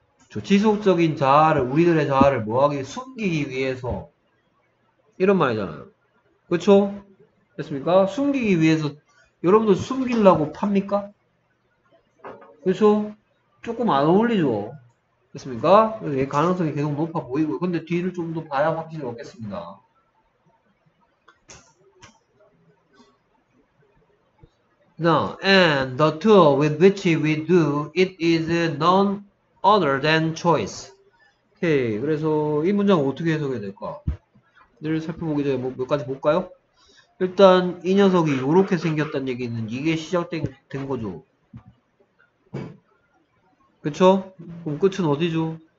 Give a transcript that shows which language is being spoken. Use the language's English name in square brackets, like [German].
[Korean] 저 지속적인 자아를, 우리들의 자아를 뭐 하기, 숨기기 위해서. 이런 말이잖아요. 그쵸? 됐습니까? 숨기기 위해서, 여러분들 숨기려고 팝니까? 그래서 조금 안 어울리죠. 됐습니까? 그래서 얘 가능성이 계속 높아 보이고, 근데 뒤를 좀더 봐야 확실히 얻겠습니다. 자, [English] and the tool with which we do it is none other than choice. [Korean] 오케이, 그래서 이 문장 어떻게 해석해야 될까? 늘 살펴보기 전에 몇 가지 볼까요? 일단 이 녀석이 이렇게 생겼다는 얘기는 이게 된 거죠. 그쵸? 그럼 끝은 어디죠?